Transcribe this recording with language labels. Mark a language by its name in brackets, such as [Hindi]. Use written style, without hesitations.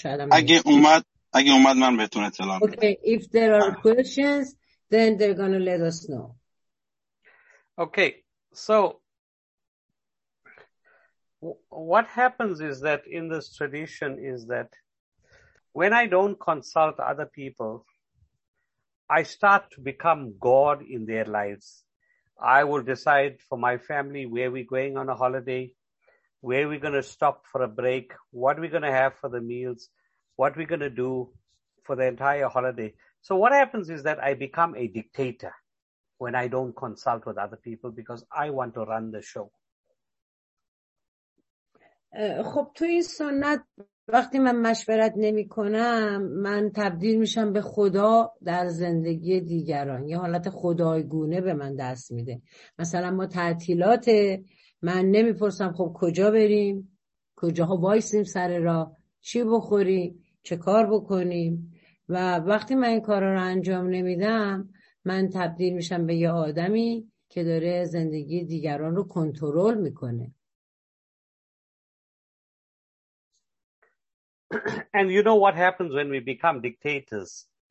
[Persian] اگه اومد من بهتون اطلاع میدم. [English] Okay, if there are questions then they're gonna let us know. Okay, so what happens is that in this tradition is that when I don't consult other people I start to become God in their lives. I will decide for my family where we're going on a holiday, where we're going to stop for a break, what we're going to have for the meals, what we're going to do for the entire holiday. So what happens is that I become a dictator when I don't consult with other people because I want to run the show. [Persian] خب تو این سنت وقتی من مشورت نمی کنم من تبدیل میشم به خدا در زندگی دیگران. یه حالت خدایگونه به من دست میده. مثلا ما تعطیلات من نمیپرسم خب کجا بریم، کجاها وایسیم سر راه، چی بخوریم، چه کار بکنیم. و وقتی من این کارا رو انجام نمیدم من تبدیل میشم به یه آدمی که داره زندگی دیگران رو کنترل میکنه. [English] And you know what happens when we become dictators?